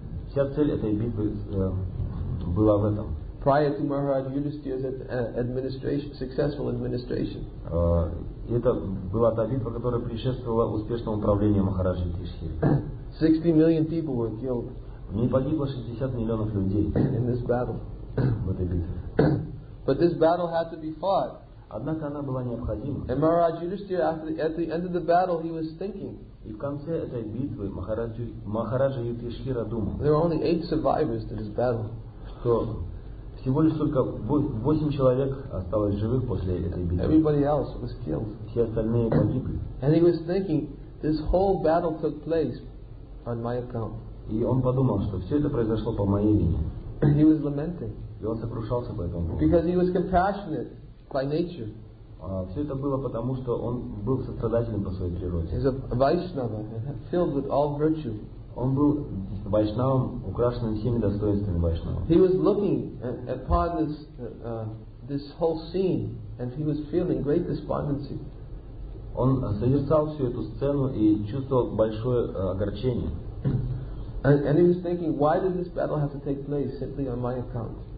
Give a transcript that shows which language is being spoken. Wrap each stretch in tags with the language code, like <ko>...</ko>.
<ru>Вся цель этой битвы была в этом.</ru> <en>Prior to Maharaj Yudhishthira's successful administration.</en> <ru>Это была та битва, которая предшествовала успешному управлению Махараджи Юдхиштхиры.</ru> <en>60 million people were killed.</en> <ru>В ней погибло 60 миллионов людей.</ru> <en>In this battle.</en> <ru>В этой битве.</ru> <en>But this battle had to be fought.</en> <ru>Однако она была необходима.</ru> <en>And Maharaj Yudhishthira, at the end of the battle, he was thinking.</en> <ru>И в конце этой битвы Махараджи Юдхиштхира думал.</ru> <en>There were only 8 survivors to this battle.</en> <ru>Что? Всего лишь только 8 человек осталось живых после этой битвы.</ru> <en>Everybody else was killed.</en> <ru>Все остальные погибли.</ru> <en>And he was thinking, this whole battle took place on my account.</en> <ru>И он подумал, что все это произошло по моей вине.</ru> <en>He was lamenting.</en> <ru>И он сокрушался по этому поводу.</ru> <en>Because he was compassionate by nature.</en> <ru>Все это было потому, что он был сострадательным по своей природе.</ru> <en>He's a Vaishnava, filled with all virtue.</en> <ru>Он был вайшнавом, украшенным всеми достоинствами вайшнава.</ru> <en>He was looking upon this whole scene, and he was feeling great despondency.</en> <ru>Он созерцал всю эту сцену и чувствовал большое огорчение.</ru> <en>And he was thinking, why did this battle have to take place simply on my account?</en>